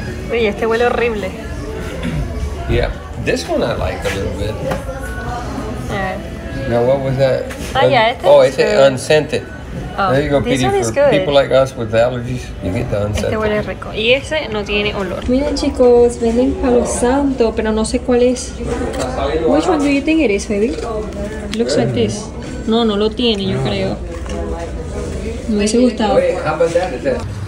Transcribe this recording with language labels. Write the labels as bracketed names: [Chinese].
[Spanish] Uy, este huele horrible. [English] Yeah, this one I like a little bit. [Spanish] A ver. [English] Now what was that? [Spanish] Este es unscented. [English] Oh, there you go, this Petey, one is for good. People like us with allergies, you get the unscented. [Spanish] Este huele rico. Y ese no tiene olor. Miren, chicos, venden palo santo, pero no sé cuál es. [English] Which one do you think it is, baby? Looks like this. [Spanish] No, no lo tiene, yo creo. Me hubiese gustado. [English] Wait, how about that? Is that